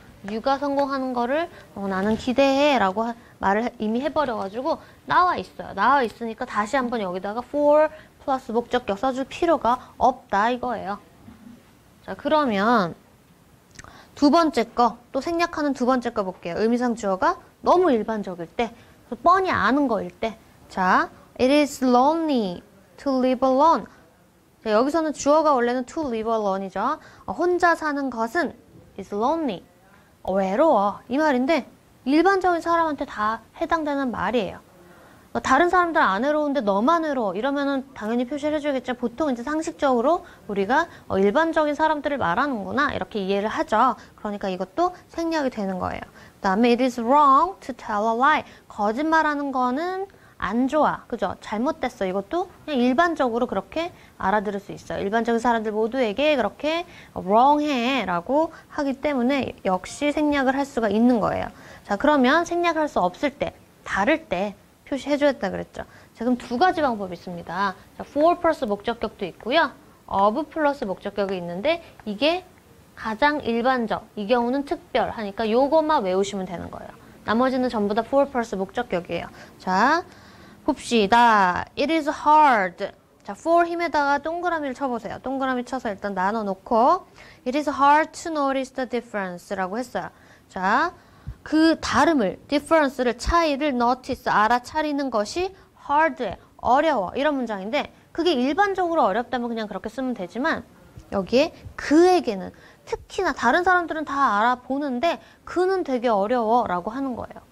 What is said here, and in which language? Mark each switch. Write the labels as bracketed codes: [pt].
[ko] 유가 성공하는 거를 나는 기대해라고 말을 이미 해버려가지고 나와 있어요. 나와 있으니까 다시 한번 여기다가 for 플러스 목적격 써줄 필요가 없다 이거예요. 자, 그러면 두 번째 거, 또 생략하는 두 번째 거 볼게요. 의미상 주어가 너무 일반적일 때, 뻔히 아는 거일 때. [en] 자, it is lonely to live alone. [ko] 자, 여기서는 주어가 원래는 [en] to live alone [ko] 이죠. 혼자 사는 것은 [en] is lonely. [ko] 외로워. 이 말인데, 일반적인 사람한테 다 해당되는 말이에요. 다른 사람들 안 외로운데 너만 외로워. 이러면은 당연히 표시를 해주겠죠. 보통 이제 상식적으로 우리가 일반적인 사람들을 말하는구나. 이렇게 이해를 하죠. 그러니까 이것도 생략이 되는 거예요. 그 다음에 [en] it is wrong to tell a lie. [ko] 거짓말하는 거는 안 좋아. 그죠? 잘못됐어. 이것도 그냥 일반적으로 그렇게 알아들을 수 있어요. 일반적인 사람들 모두에게 그렇게 wrong 해. 라고 하기 때문에 역시 생략을 할 수가 있는 거예요. 자, 그러면 생략할 수 없을 때, 다를 때, 표시해줬다 그랬죠. 자, 그럼 두 가지 방법이 있습니다. 자, for 플러스 목적격도 있고요. of 플러스 목적격이 있는데 이게 가장 일반적. 이 경우는 특별하니까 요것만 외우시면 되는 거예요. 나머지는 전부 다 for 플러스 목적격이에요. [en] 자, 봅시다. It is hard. [ko] 자, for 힘에다가 동그라미를 쳐보세요. 동그라미 쳐서 일단 나눠놓고 [en] It is hard to notice the difference [ko] 라고 했어요. 자, 그 다름을, difference를, 차이를 notice, 알아차리는 것이 hard해, 어려워, 이런 문장인데 그게 일반적으로 어렵다면 그냥 그렇게 쓰면 되지만 여기에 그에게는, 특히나 다른 사람들은 다 알아보는데 그는 되게 어려워 라고 하는 거예요.